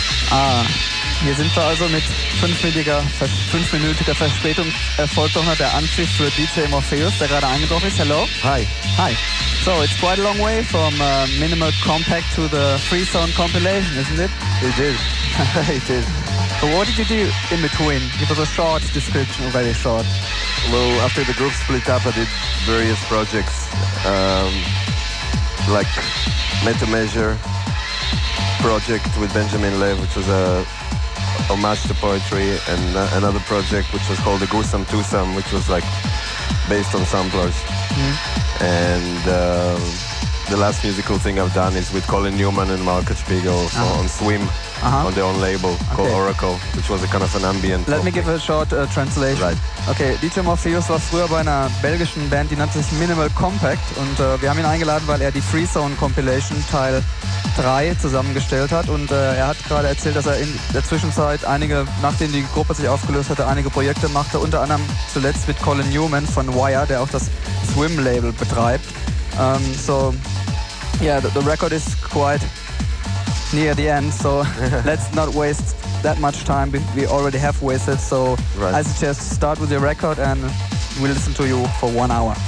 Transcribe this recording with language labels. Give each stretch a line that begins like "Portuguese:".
German: Ah, hier sind wir also mit fünfminütiger Verspätung. Erfolgt doch noch der Anpfiff für DJ Morpheus, der gerade eingetroffen ist.
English: Hello. Hi. Hi. So, it's quite a long way from Minimal Compact to the Free Sound Compilation, isn't it? It is. It is. So what did you do in between? Give us a short description, very short. Well, after the group split up, I did various projects, like Meta Measure project with Benjamin Lev, which was a homage to poetry, and another project which was called the Gusam Tusam, which was like based on samplers. Mm. And the last musical thing I've done is with Colin Newman and Marcus Spiegel on Swim. Uh-huh. On their own label called Oracle, which was a kind of an ambient. Let me give a short translation. Right.
German: Okay, DJ Morpheus war früher bei einer belgischen Band, die nannte sich Minimal Compact, und wir haben ihn eingeladen, weil er die Free Zone Compilation Teil 3 zusammengestellt hat, und er hat gerade erzählt, dass er in der Zwischenzeit einige, nachdem die Gruppe sich aufgelöst hatte, einige Projekte machte, unter anderem zuletzt mit Colin Newman von Wire, der auch das Swim Label betreibt.
English: So, yeah, the record is quite near the end, so let's not waste that much time. We already have wasted, so right. I suggest start with your record and we'll listen to you for 1 hour.